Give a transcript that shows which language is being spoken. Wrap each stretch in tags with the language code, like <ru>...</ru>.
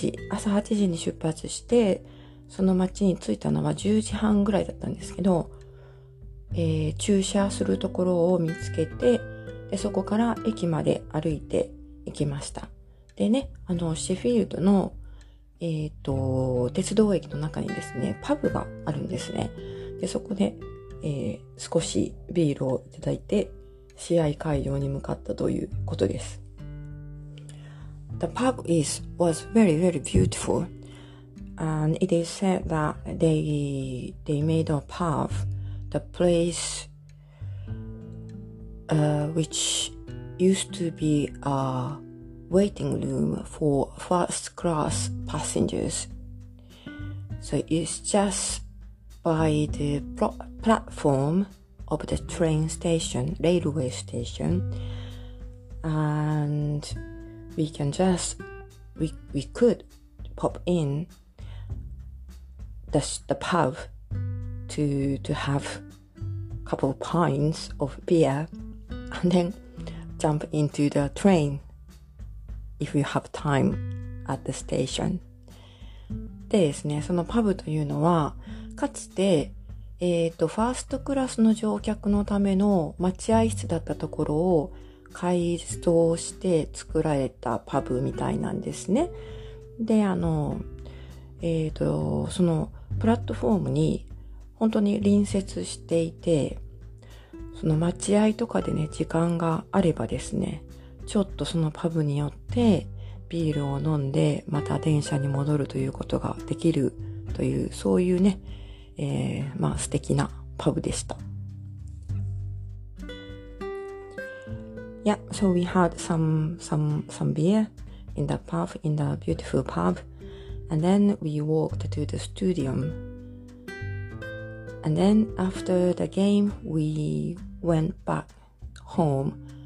<ja>朝8時に出発して、その町に着いたのは10時半ぐらいだったんですけど、駐車するところを見つけて、でそこから駅まで歩いて行きました。でね、あのシェフィールドの鉄道駅の中にですね、パブがあるんですね。でそこで、少しビールをいただいて試合会場に向かったということです。</ja> <en>The pub was very very beautiful, and it is said that they made a pub the place which used to be a waiting room for first class passengers. So it's just by the platform of the train station, railway station, and we can just we could pop in the pub to have a couple of pints of beer and then jump into the train if you have time at the station.</en> <ja>でですね、そのパブというのはかつて、ファーストクラスの乗客のための待合室だったところを改装して作られたパブみたいなんですね。で、そのプラットフォームに本当に隣接していて、その待合とかでね、時間があればですね、ちょっとそのパブによってビールを飲んでまた電車に戻るということができるという、そういうね、まあ素敵なパブでした。</ja> <en>Yeah, so we had some beer in the pub, in the beautiful pub, and then we walked to the stadium. And then after the game, we went back home.</en>